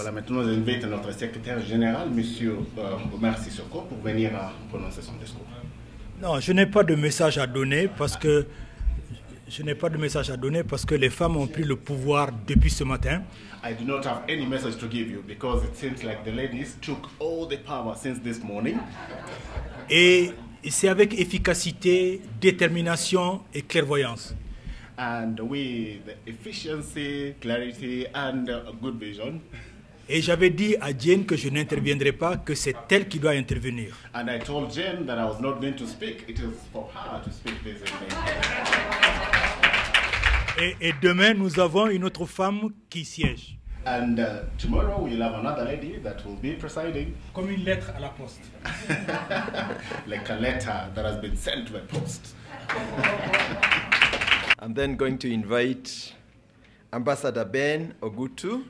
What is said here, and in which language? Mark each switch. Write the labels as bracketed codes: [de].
[fr] Voilà, maintenant, j'invite notre Secrétaire Général, Monsieur Omar Sissoko, pour venir prononcer son discours. Non, je n'ai pas de message à donner parce que les femmes ont pris le pouvoir depuis ce matin. [en] I do not have any message to give you because it seems like the ladies took all the power since this morning. [fr] Et c'est avec efficacité, détermination et clairvoyance. [en] And with efficiency, clarity and a good vision. [fr] Et j'avais dit à Jane que je n'interviendrai pas, que c'est elle qui doit intervenir. [en] And I told Jane that I was not going to speak. It is for her to speak this evening. [fr] Et demain, nous avons une autre femme qui siège. [en] And tomorrow, we'll have another lady that will be presiding. [fr] Comme une lettre à la poste. [en] Like a letter that has been sent by post. I'm then going to invite Ambassador Ben Ogutu.